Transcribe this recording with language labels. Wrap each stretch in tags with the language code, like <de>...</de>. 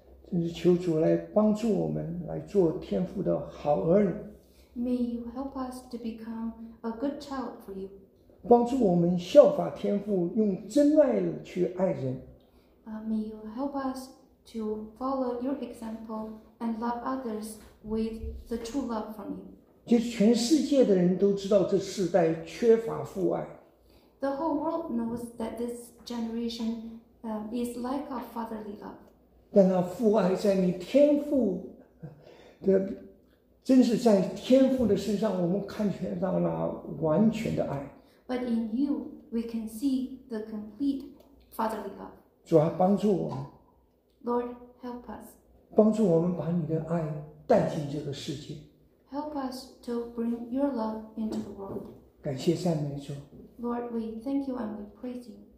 <zh>真是求主来帮助我们来做天父的好儿女。</zh> <en>May you help us to become a good child for you.</en> <zh>帮助我们效法天父，用真爱去爱人。</zh> <en>May you help us to follow your example and love others with the true love from you.</en> <zh>就是全世界的人都知道这世代缺乏父爱。</zh> <en>The whole world knows that this generation is lack of fatherly love.</en> <zh>但那父爱在你天父的，真是在天父的身上，我们看见到了完全的爱。</zh> <en>But in you, we can see the complete fatherly love.</en> <zh>主啊，帮助我们。</zh> <en>Lord, help us.</en> <zh>帮助我们把你的爱带进这个世界。</zh> <en>Help us to bring your love into the world.</en> <zh>感谢赞美主。</zh> <en>Lord, we thank you and we praise you.</en>